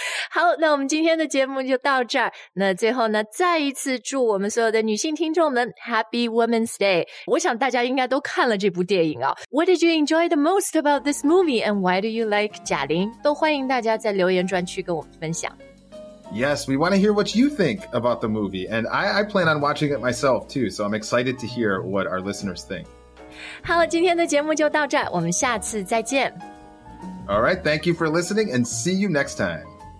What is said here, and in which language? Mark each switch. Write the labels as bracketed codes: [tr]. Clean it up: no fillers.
[zh] 好那我们今天的节目就到这儿那最后呢再一次祝我们所有的女性听众们 [en] Happy Women's Day [zh] 我想大家应该都看了这部电影啊 [en] What did you enjoy the most about this movie and why do you like [zh] 贾玲都欢迎大家在留言专区跟我们分享 [en] Yes, we want to hear what you think about the movie and I plan on watching it myself too so I'm excited to hear what our listeners think [zh] 好今天的节目就到这儿我们下次再见 [en] All right, thank you for listening and see you next time